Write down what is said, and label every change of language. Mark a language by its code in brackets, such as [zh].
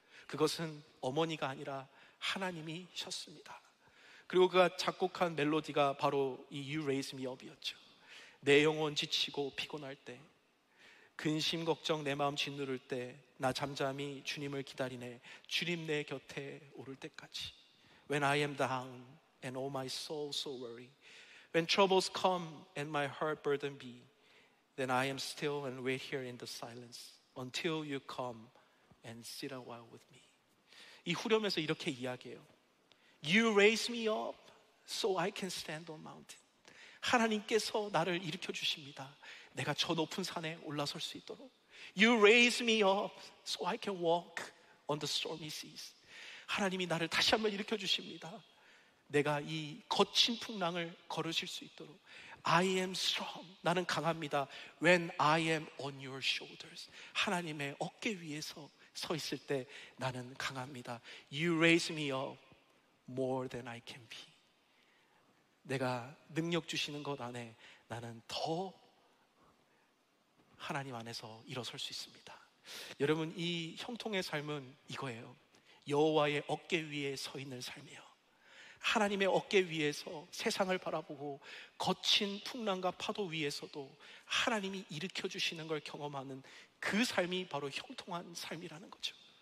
[ko] 그것은 어머니가 아니라 하나님이셨습니다. 그리고 그가 작곡한 멜로디가 바로 이 You Raise Me Up이었죠. 내 영혼 지치고 피곤할 때, 근심 걱정 내 마음 짓누를 때, 나 잠잠히 주님을 기다리네, 주님 내 곁에 오를 때까지. [en] When I am down and all my soul so weary, when troubles come and my heart burden be, then I am still and wait here in the silence until you come and sit a while with me. [ko] 이 후렴에서 이렇게 이야기해요. [en] You raise me up so I can stand on mountain. [ko] 하나님께서 나를 일으켜 주십니다. 내가 저 높은 산에 올라설 수 있도록. [en] You raise me up so I can walk on the stormy seas. [ko] 하나님이 나를 다시 한번 일으켜 주십니다. 내가 이 거친 풍랑을 걸으실 수 있도록. [en] I am strong. [ko] 나는 강합니다. [en] When I am on your shoulders. [ko] 하나님의 어깨 위에서 서 있을 때 나는 강합니다. [en] You raise me up more than I can be. [ko] 내가 능력 주시는 것 안에 나는 더 하나님 안에서 일어설 수 있습니다. 여러분, 이 형통의 삶은 이거예요. 여호와의 어깨 위에 서 있는 삶이에요. 하나님의 어깨 위에서 세상을 바라보고 거친 풍랑과 파도 위에서도 하나님이 일으켜주시는 걸 경험하는 그 삶이 바로 형통한 삶이라는 거죠.